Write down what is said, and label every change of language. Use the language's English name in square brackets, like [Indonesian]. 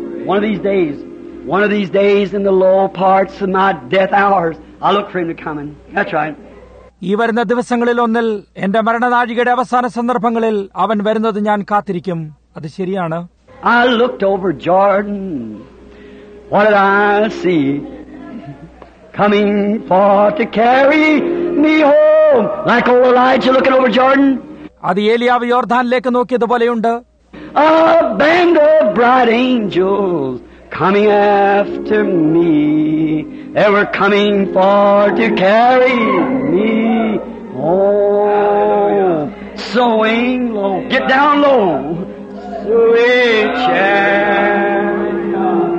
[English] One of these days in the low parts of my death hours, I look for him to come in. That's right. [Malayalam] ഈ വരുന്ന ദിവസങ്ങളിൽ ഒന്നിൽ എന്റെ മരണനാഴികയുടെ അവസാന സന്ദർഭങ്ങളിൽ അവൻ വരുന്നത് ഞാൻ കാത്തിരിക്കും. അത് ശരിയാണ്. [English] I looked over Jordan. What did I see? Coming for to carry me home. Like old Elijah looking over Jordan. [Malayalam] അത് ഏലിയാവ് യോർദാനിലേക്ക് നോക്കിയതുപോലെയുണ്ട്. [English] A band of bright angels coming after me. They were coming for to carry me home. Swing low. Get down low. Sweet chariot.